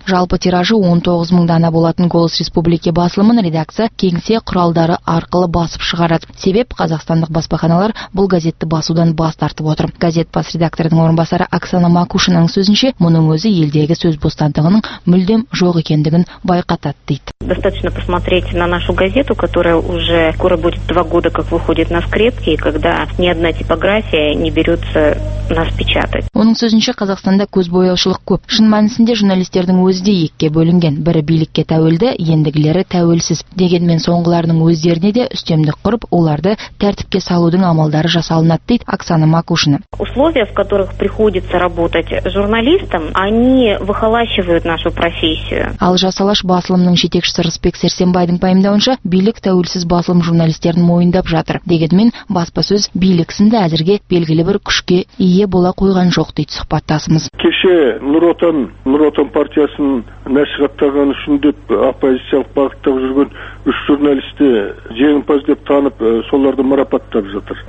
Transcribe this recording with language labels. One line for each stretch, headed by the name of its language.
Kazakh: Жалпы тиражы 19 мың дана болатын «Голос республики» басылымын редакция кеңсе құралдары арқылы басып шығарады. Себеп қазақстандық баспаханалар бұл газетті басудан бас тартып отыр. Газет бас редакторының орынбасары Оксана Макушинаның сөзінше, мұның өзі елдегі сөз бостандығының мүлдем жоқ екендігін байқатады дейді.
Russian: Достаточно посмотреть на нашу газету, которая уже скоро будет 2 года, как выходит на скрепке, и когда ни одна типография не берется нас печатать.
Kazakh: Оның сөзінше, Қазақстанда көзбояушылық көп. Шын мәнісінде журналистердің өзі де екіге бөлінген. Бірі билікке тәуелді, ендігілері тәуелсіз. Дегенмен соңғыларының өздеріне де үстемдік құрып, оларды тәртіпке салудың амалдары жасалды. Оксана Макушина.
Russian: Условия, в которых приходится работать журналистам, они выхолащивают нашу профессию.
Kazakh: Ал жасалаш басылымның жетекшісі Рысбек Сәрсенбайдың пайымдауынша, билік тәуелсіз басылым журналистерін мойындап жатыр. Дегенмен, баспасөз биліксінде әзірге белгілі бір күшке ие бола қойған жоқ дейді сұхбаттасымыз. Кеше Нұр Отан партиясын насихаттаған үшін деп оппозициялық бағытта жүрген 3 журналисті жеңімпаз деп танып, соларды марапаттап жатыр.